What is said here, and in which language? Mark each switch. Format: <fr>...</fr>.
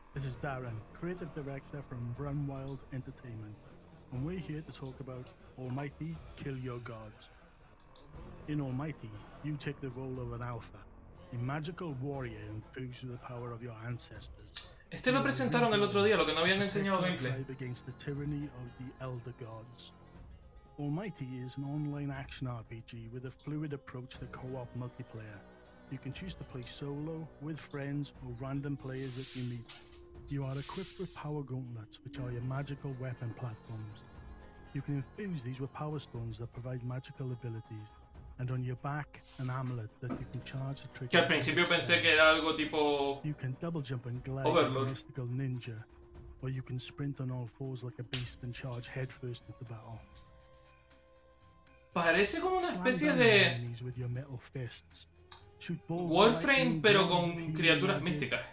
<en>This is Darren, creative director from Run Wild Entertainment. And we're here to talk about Almighty, kill your gods. In Almighty, you take the role of an alpha, a magical warrior infused with the power of your ancestors.</en> <es>Este lo presentaron el otro día, lo que no habían enseñado gameplay.</es> <en>Against the tyranny of the elder gods. Almighty is an online action RPG with a fluid approach to co-op multiplayer. You can choose to play solo, with friends, or random players that you meet. You are equipped with power gauntlets, which are your magical weapon platforms. You can infuse these with power stones that provide magical abilities, and on your back, an amulet that you can charge to trigger.</en> <es>Que al principio pensé que era algo tipo.</es> <en>You can double jump and glide like a mystical ninja, or you can sprint on all fours like a beast and charge headfirst at the battle.</en> <es>Parece como una especie de.</es> <en>Slam down enemies with your metal fists. Shoot balls.</en> <es>Warframe, pero con criaturas místicas.</es>